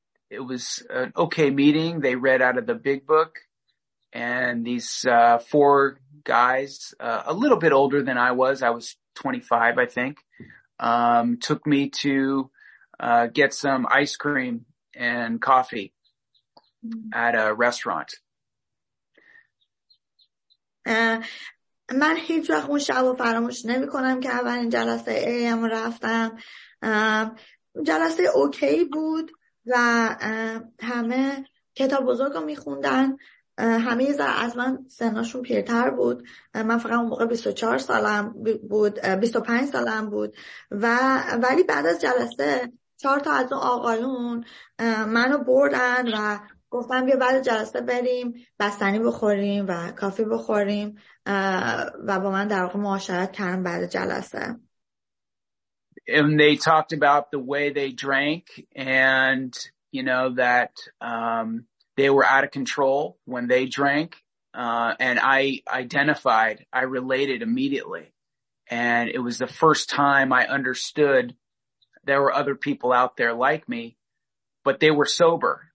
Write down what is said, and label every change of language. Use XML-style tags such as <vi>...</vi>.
<en>It was an okay meeting. They read out of the big book, and these four guys, a little bit older than I was 25, I think, took me to get some ice cream and coffee at a restaurant.</en> <fa>من هیچ وقت اون شب رو فراموش نمی کنم که اولین جلسه AA رفتم. جلسه اوکی بود و همه کتاب بزرگ رو می خوندن. همه یه ذره از من سناشون پیرتر بود. من فقط اون موقع 24 سالم بود، 25 سالم بود. ولی بعد از جلسه 4 تا از اون آقایون منو بردن و گفتم بیا بعد جلسه بریم بستنی بخوریم و کافی بخوریم و با من در واقع معاشرت کردن بعد جلسه.</fa> <en>And they talked about the way they drank and, you know, that they were out of control when they drank. And I identified, I related immediately. And it was the first time I understood there were other people out there like me, but they were sober.</en>